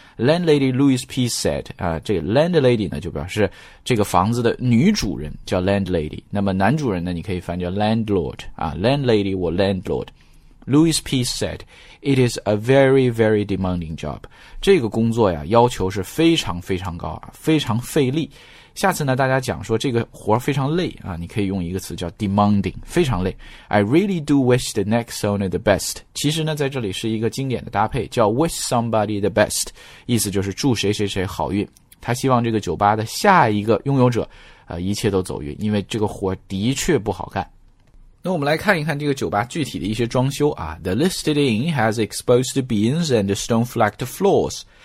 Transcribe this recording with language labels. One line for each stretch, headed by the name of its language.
English: Landlady Louise P. said,
Chinese: 这个 landlady 呢就表示这个房子的女主人叫 landlady, 那么男主人呢你可以翻叫 landlord, landlady 或 landlord。Louise P.
English: said, it is a very, very demanding job.
Chinese: 这个工作呀要求是非常非常高，非常费力。下次呢大家讲说这个活非常累啊，你可以用一个词叫 demanding, 非常累。
English: I really do wish the next owner the best.
Chinese: 其实呢在这里是一个经典的搭配叫
English: wish somebody the best,
Chinese: 意思就是祝谁谁谁好运。他希望这个酒吧的下一个拥有者一切都走运，因为这个活的确不好干。那我们来看一看这个酒吧具体的一些装修啊。
English: The listed inn has exposed beams and stone-flagged floors.